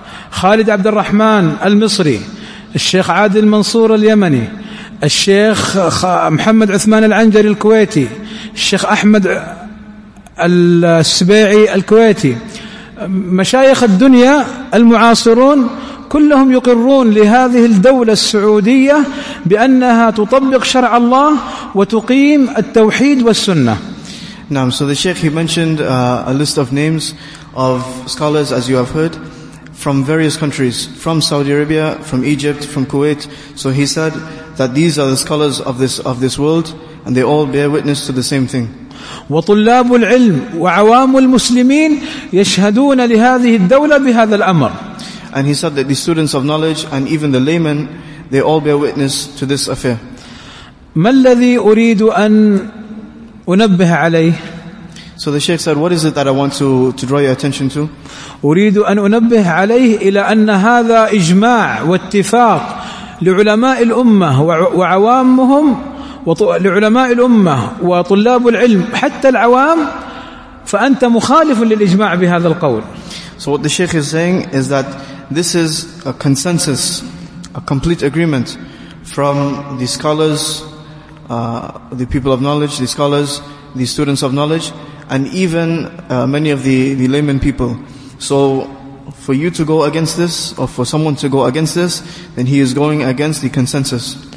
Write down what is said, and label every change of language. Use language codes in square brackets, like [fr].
[ar] خالد عبد الرحمن المصري، الشيخ عادل منصور اليمني، الشيخ محمد عثمان العنجري الكويتي، الشيخ أحمد السبيعي الكويتي، مشايخ الدنيا المعاصرون كلهم يقرون لهذه الدولة السعودية بأنها تطبق شرع الله وتقيم التوحيد والسنة. نعم. [en] So the Sheikh, he mentioned a list of names of scholars, as you have heard, from various countries, from Saudi Arabia, from Egypt, from Kuwait. So he said that these are the scholars of this world, and they all bear witness to the same thing. [ar] وطلاب العلم وعوام المسلمين يشهدون لهذه الدولة بهذا الأمر. [en] And he said that the students of knowledge and even the laymen, they all bear witness to this affair. [ar] ما الذي أريد أن أنبه عليه؟ [en] So the Sheikh said, what is it that I want to draw your attention to? [ar] أريد أن أنبه عليه إلى أن هذا إجماع واتفاق لعلماء الأمة وعوامهم لعلماء الأمة وطلاب العلم حتى العوام فأنت مخالف للإجماع بهذا القول. [en] So what the Sheikh is saying is that this is a consensus, a complete agreement from the scholars, the people of knowledge, the scholars, the students of knowledge, and even many of the layman people. So for you to go against this, or for someone to go against this, then he is going against the consensus.